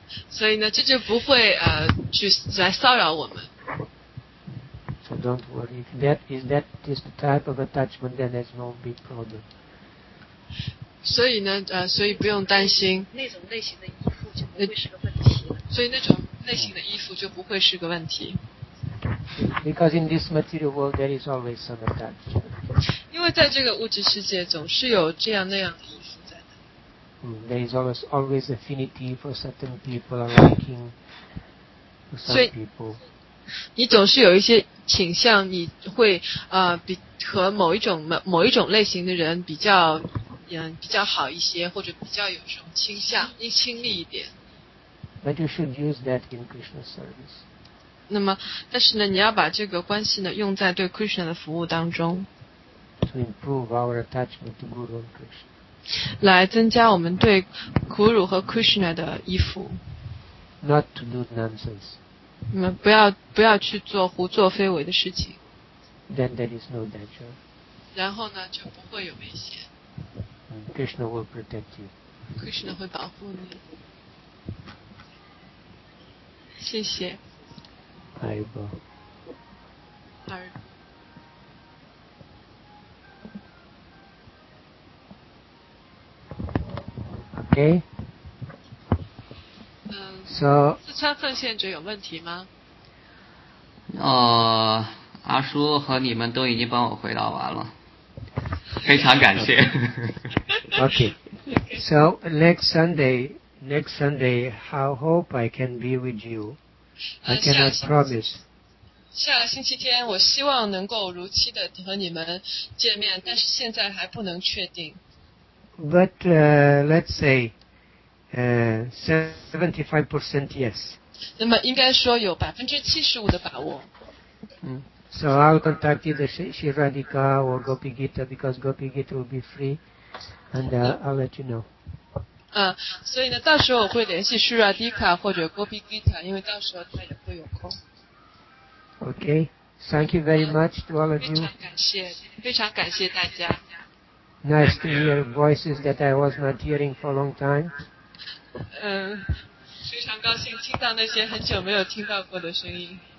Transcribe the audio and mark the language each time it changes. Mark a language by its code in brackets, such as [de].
[zh] 所以呢，这就不会去来骚扰我们。 [en] So don't worry. If that is the type of attachment, then there's no big problem. [zh] 所以呢，所以不用担心。那种类型的依附就不会是个问题。所以那种类型的衣服就不会是个问题。 [en] Because in this material world there is always some attachment. [zh] 因为在这个物质世界总是有这样那样的衣服在那。 [en] There is always affinity for certain people, liking for some people. [zh] 你总是有一些倾向，你会和某一种类型的人比较好一些，或者比较有这种倾向，亲密一点。 [en] But you should use that in Krishna service. [zh] 那么，但是呢，你要把这个关系呢用在对 Krishna 的服务当中。 [en] To improve our attachment to Guru and Krishna. [zh] 来增加我们对 Guru 和 Krishna 的依附。 [en] Not to do nonsense. [zh] 那么不要去做胡作非为的事情。 [en] Then there is no danger. [zh] 然后呢，就不会有危险。 [en] Krishna will protect you. [zh] Krishna 会保护你。谢谢。 [en] Hi, Bo. Hi. Okay. So. [zh] 四川奉献者有问题吗？阿叔和你们都已经帮我回答完了，非常感谢。 [en] Okay. So next Sunday, I hope I can be with you. I cannot promise. [zh] 下个星期天，我希望能够如期的和你们见面，但是现在还不能确定。 [en] But let's say 75% yes. [zh] 那么应该说有75%的把握。 [en] So I'll contact either Shri Radhika or Gopi Gita because Gopi Gita will be free, and I'll let you know. [zh] 所以呢，到时候我会联系 Shri Radhika 或者 Gopi Gita， 因为到时候他也会有空。 [en] Okay, thank you very much to all of you. [zh] 非常感谢大家。 [en] Nice to hear voices that I was not hearing for a long time. [zh] 非常高兴听到那些很久没有听到过的声音。